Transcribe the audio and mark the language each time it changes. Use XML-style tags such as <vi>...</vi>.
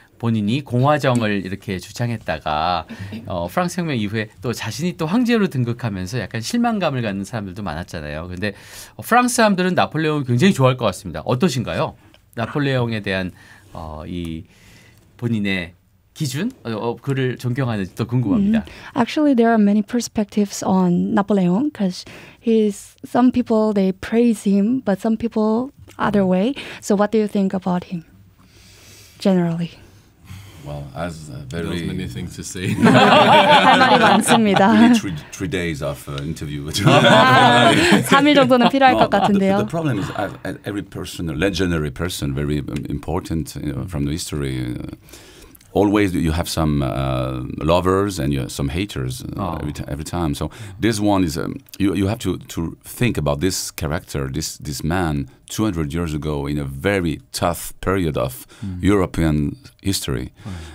<ko>본인이 공화정을 이렇게 주창했다가 프랑스 혁명 이후에 또 자신이 또 황제로 등극하면서 약간 실망감을 갖는 사람들도 많았잖아요. 그런데 프랑스 사람들은 나폴레옹을 굉장히 좋아할 것 같습니다. 어떠신가요? 나폴레옹에 대한 이 본인의 기준? 그를 존경하는지 또 궁금합니다.</ko> <en>Actually, there are many perspectives on Napoleon because he's some people they praise him, but some people other way. So, what do you think about him generally? Well, as very there's many things to say.</en> <ko>할 말이 많습니다.</ko> <en>Three days of interview.</en> <ko>3일 정도는 필요할 것 같은데요.</ko> <en>The problem is every person, a legendary person, very important from the history. Always you have some lovers and you have some haters every time. So this one is you have to think about this character, this man 200 years ago in a very tough period of European history. Right.</en>